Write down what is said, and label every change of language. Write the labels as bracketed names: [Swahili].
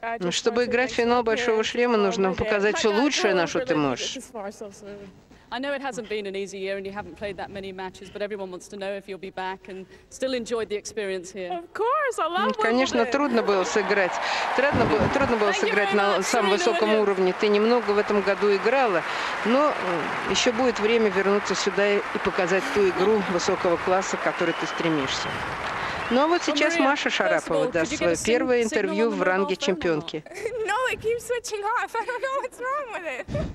[Russian] Чтобы играть в финал «Большого шлема», нужно показать все лучшее, на что ты можешь. [English] I know it hasn't been an easy year and you haven't played that many matches, but everyone wants to know if you'll be back and still enjoy the experience here. Of course, I love it. [Russian] Конечно, трудно было сыграть. Трудно было сыграть на самом высоком уровне. Ты немного в этом году играла, но еще будет время вернуться сюда и показать ту игру высокого класса, к которой ты стремишься. Ну а вот сейчас Маша Шарапова даст свое первое интервью в ранге чемпионки. [English] No, it keeps switching off. I don't know what's wrong with it.